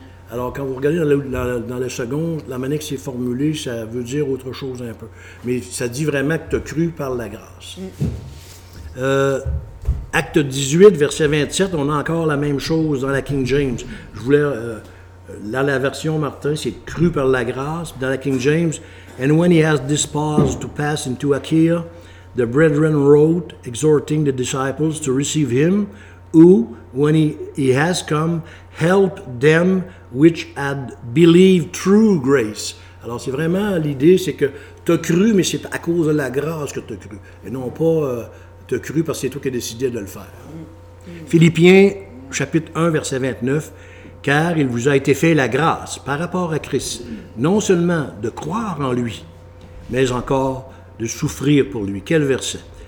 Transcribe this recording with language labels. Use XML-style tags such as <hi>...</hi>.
<fr>Alors, quand vous regardez dans la seconde, la manière que c'est formulé, ça veut dire autre chose un peu. Mais ça dit vraiment que tu as cru par la grâce. Acte 18, verset 27, on a encore la même chose dans la King James. Je voulais, dans la version Martin, c'est cru par la grâce.</fr> <en>Dans la King James, « And when he has disposed to pass into Achaia, the brethren wrote, exhorting the disciples to receive him, who, when he has come, help them which had believed through grace. »</en> <fr>Alors, c'est vraiment l'idée, c'est que tu as cru, mais c'est à cause de la grâce que tu as cru. Et non pas tu as cru parce que c'est toi qui as décidé de le faire. Philippiens, chapitre 1, verset 29. « Car il vous a été fait la grâce par rapport à Christ, non seulement de croire en lui, mais encore de souffrir pour lui. » Quel verset?</fr>